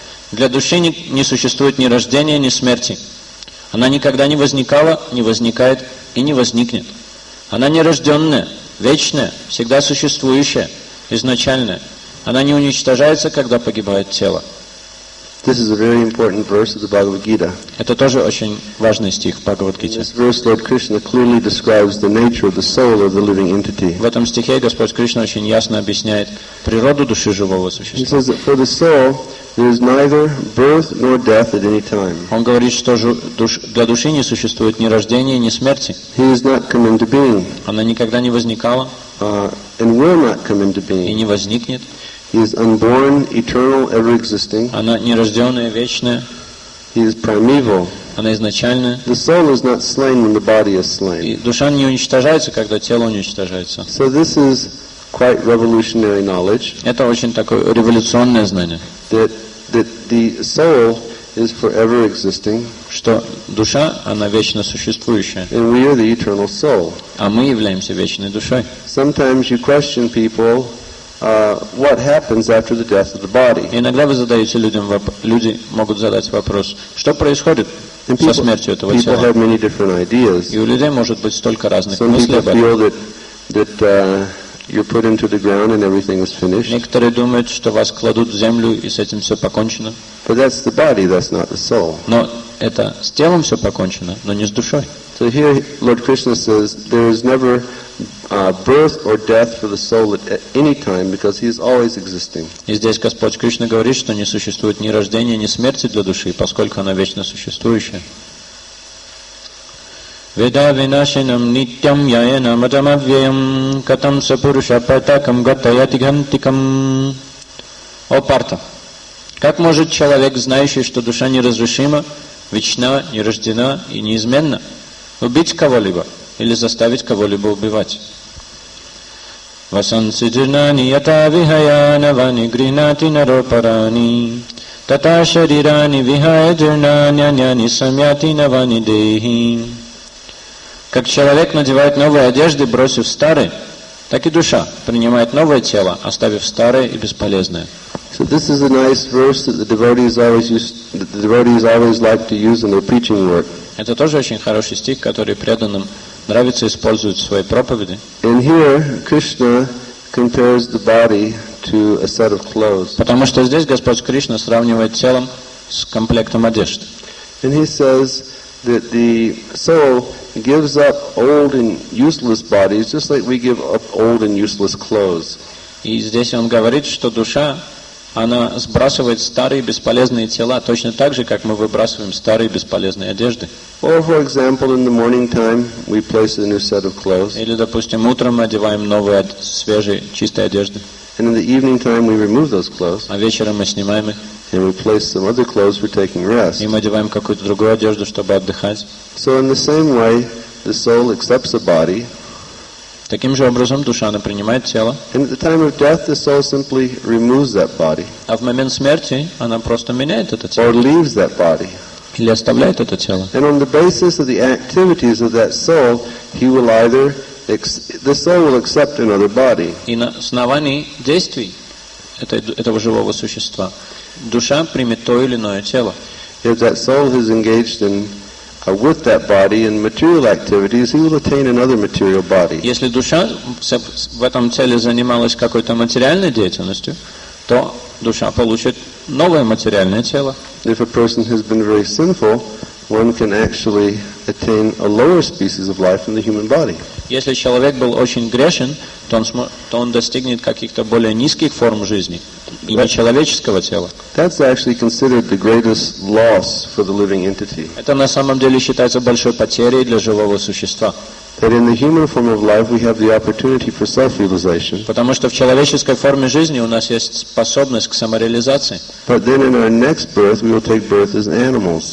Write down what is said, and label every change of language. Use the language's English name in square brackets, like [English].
[Russian] Для души не существует ни рождения, ни смерти. Она никогда не возникала, не возникает и не возникнет. Она нерожденная, вечная, всегда существующая, изначальная. Она не уничтожается, когда погибает тело. [English] This is a very important verse of the Bhagavad Gita. [Russian] Это тоже очень важный стих в Бхагавад Гите. [English] This verse, Lord Krishna clearly describes the nature of the soul of the living entity. [Russian] В этом стихе Господь Кришна очень ясно объясняет природу души живого существа. [English] He says that for the soul, there is neither birth nor death at any time. [Russian] Он говорит, что для души не существует ни рождения, ни смерти. [English] He has not come into being. [Russian] Она никогда не возникала. [English] And will not come into being. [Russian] И не возникнет. [English] He is unborn, eternal, ever-existing. [Russian] Она нерожденная, вечная. [English] He is primeval. [Russian] Она изначальная. [English] The soul is not slain when the body is slain. [Russian] И душа не уничтожается, когда тело уничтожается. [English] So this is quite revolutionary knowledge. [Russian] Это очень такое революционное знание. [English] That the soul is forever existing. [Russian] Что душа, она вечно существующая. [English] And we are the eternal soul. [Russian] А мы являемся вечной душой. [English] Sometimes you question people. What happens after the death of the body? [Russian] Иногда вы задаете людям люди могут задать вопрос, что происходит со смертью этого тела? [English] People have many different ideas. [Russian] И у людей может быть столько разных мыслей. [English] Some people feel that you're put into the ground and everything is finished. [Russian] Некоторые думают, что вас кладут в землю и с этим все покончено. [English] But that's the body, that's not the soul. [Russian] Но это с телом все покончено, но не с душой. [English] So here, Lord Krishna says, there is never birth or death for the soul at any time because he is always existing. [Russian] И здесь Господь Кришна говорит, что не существует ни рождения, ни смерти для души, поскольку она вечно существующая. [Sanskrit] Веда винашинам нитям яенам атамавьям катам сапуруша патакам гатаятигантикам. О Партха! [Russian] Как может человек, знающий, что душа неразрушима, вечна, нерождена и неизменна, убить кого-либо или заставить кого-либо убивать? [Sanskrit] Васанцидирнани ята вихаянавани гринати наропарани тата шарирани вихая джирнаняняни самяти навани дейхи. [Russian] Как человек надевает новые одежды, бросив старые, так и душа принимает новое тело, оставив старое и бесполезное. [English] So this is a nice verse that the devotees always like to use in their preaching work. [Russian] Это тоже очень хороший стих, который преданным нравится использовать в своей проповеди. [English] And here Krishna compares the body to a set of clothes. [Russian] Потому что здесь Господь Кришна сравнивает телом с комплектом одежды. [English] And he says that the soul gives up old and useless bodies, just like we give up old and useless clothes. [Russian] И здесь он говорит, что душа она сбрасывает старые бесполезные тела точно так же, как мы выбрасываем старые бесполезные одежды. [English] Or, for example, in the morning time, we place a new set of clothes. [Russian] Или, допустим, утром мы одеваем новые, свежие, чистые одежды. [English] And in the evening time, we remove those clothes. [Russian] А вечером мы снимаем их. [English] And we place some other clothes for taking rest. [Russian] И мы одеваем какую-то другую одежду, чтобы отдыхать. [English] So in the same way, the soul accepts a body. [Russian] Таким же образом душа она принимает тело. [English] And at the time of death, the soul simply removes that body. [Russian] А в момент смерти она просто меняет это тело. [English] Or leaves that body. [Russian] Или оставляет это тело. [English] And on the basis of the activities of that soul, the soul will accept another body. [Russian] И на основании действий этого живого существа душа примет то или иное тело. [English] If that soul is engaged in with that body and material activities, he will attain another material body. [Russian] Если душа в этом теле занималась какой-то материальной деятельностью, то душа получит новое материальное тело. [English] If a person has been very sinful, one can actually attain a lower species of life in the human body. [Russian] Если человек был очень грешен, то он достигнет каких-то более низких форм жизни, и не человеческого тела. [English] That's actually considered the greatest loss for the living entity. [Russian] Это на самом деле считается большой потерей для живого существа. [English] That in the human form of life we have the opportunity for self-realization. [Russian] Потому что в человеческой форме жизни у нас есть способность к самореализации. [English] But then in our next birth we will take birth as animals.